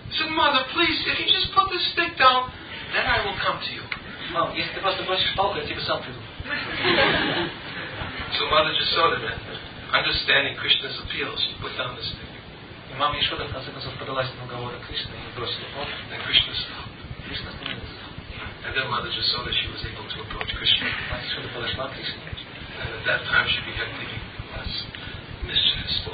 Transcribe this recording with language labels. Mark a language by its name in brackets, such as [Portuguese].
[English] He said, Mother, please, if you just put the stick down, then I will come to you. [Russian] Мам, если ты просто бросишь палку, я тебе сам приду. [English] So Mother Jasoda then, understanding Krishna's appeals, she put down the stick. [Russian] Мама Ишода в конце концов поддалась на уговоры Кришны и бросила палку. [English] Then Krishna stopped. And then Mother Jasoda, she was able to approach Krishna. And at that time she began thinking, that's mischievous boy.